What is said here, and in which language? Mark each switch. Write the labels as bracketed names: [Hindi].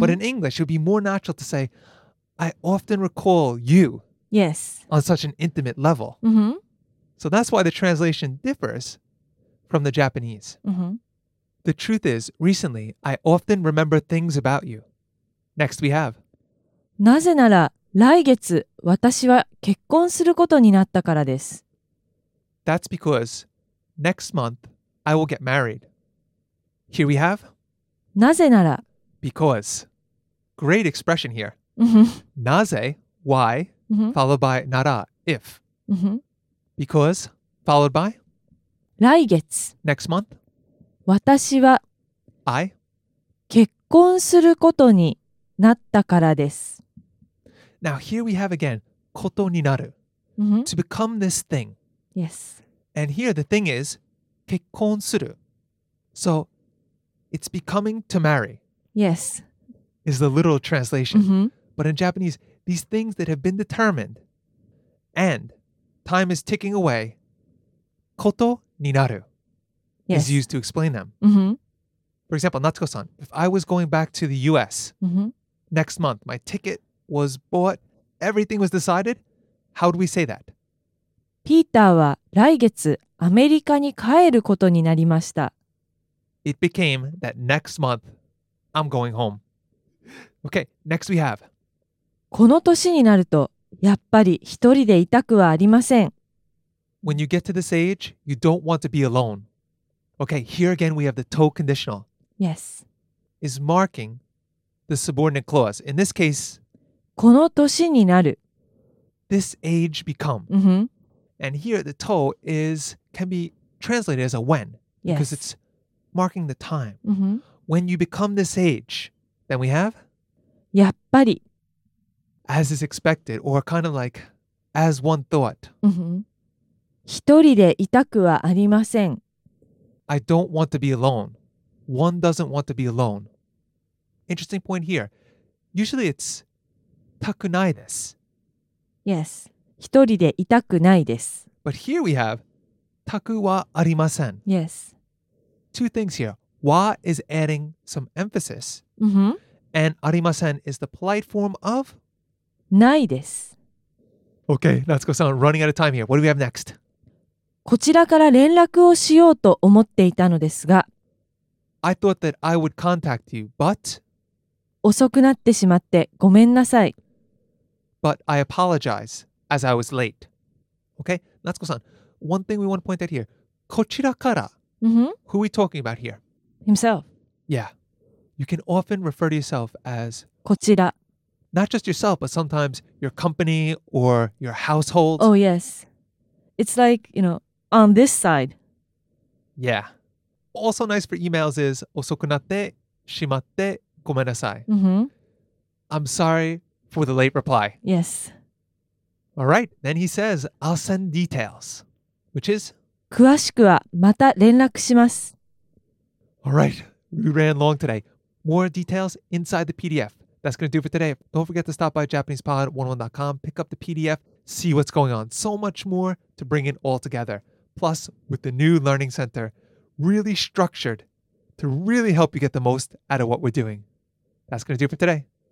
[English] But in English, it would be more natural to say, I often recall you. Yes. On such an intimate level. Mm-hmm. So that's why the translation differs from the Japanese. Mm-hmm. The truth is, recently, I often remember things about you. Next we have. [Japanese] なぜなら、来月、私は結婚することになったからです。 [English] That's because next month, I will get married. Here we have. [Japanese] なぜなら。 [English] Because. Great expression here. Mm-hmm. なぜ、why, mm-hmm. followed by なら、if. Mm-hmm. Because, followed by. [Japanese] 来月。 [English] Next month. [Japanese] 私は。 [English] I. [Japanese] 結婚することになったからです。 [English] Now here we have again, [Japanese] ことになる。 [English] Mm-hmm. To become this thing. Yes. And here the thing is, [Japanese] 結婚する. [English] So, it's becoming to marry. Yes. Is the literal translation. Mm-hmm. But in Japanese, these things that have been determined and time is ticking away, [Japanese] koto ninaru [English] yes. is used to explain them. Mm-hmm. For example, Natsuko-san, if I was going back to the US mm-hmm. next month, my ticket was bought, everything was decided, how would we say that? [Japanese] ピーターは来月アメリカに帰ることになりました。 [English] It became that next month, I'm going home. Okay, next we have. [Japanese] この年になると、やっぱり一人でいたくはありません。 [English] When you get to this age, you don't want to be alone. Okay, here again we have the to conditional. Yes. Is marking the subordinate clause. In this case, [Japanese] この年になる。 [English] This age become. Mm-hmm. And here, the to is, can be translated as a when. Yes. Because it's marking the time. Mm-hmm. When you become this age, then we have? [Japanese] やっぱり。 [English] As is expected, or kind of like, as one thought. Mm-hmm. [Japanese] 一人でいたくはありません。 [English] I don't want to be alone. One doesn't want to be alone. Interesting point here. Usually it's, [Japanese] たくないです。 [English] Yes. [Japanese] 一人でいたくないです。 [English] But here we have, [Japanese] たくはありません。 [English] Yes. Two things here. わ is adding some emphasis. Mm-hmm. And ありません is the polite form of? [Japanese] ないです。 [English] Okay, Natsuko-san, running out of time here. What do we have next? [Japanese] こちらから連絡をしようと思っていたのですが。 [English] I thought that I would contact you, but... [Japanese] 遅くなってしまってごめんなさい。 [English] But I apologize. As I was late. Okay? Natsuko-san, one thing we want to point out here. [Japanese] Kochira kara. [English] Mm-hmm. Who are we talking about here? Himself. Yeah. You can often refer to yourself as... [Japanese] Kochira. [English] Not just yourself, but sometimes your company or your household. Oh, yes. It's like, you know, on this side. Yeah. Also nice for emails is... [Japanese] Osokunatte, shimatte, gomenasai. [English] Mm-hmm. I'm sorry for the late reply. Yes. All right, then he says, I'll send details, which is? [Japanese] 詳しくはまた連絡します。 [English] All right, we ran long today. More details inside the PDF. That's going to do for today. Don't forget to stop by JapanesePod101.com, pick up the PDF, see what's going on. So much more to bring it all together. Plus, with the new Learning Center, really structured to really help you get the most out of what we're doing. That's going to do for today.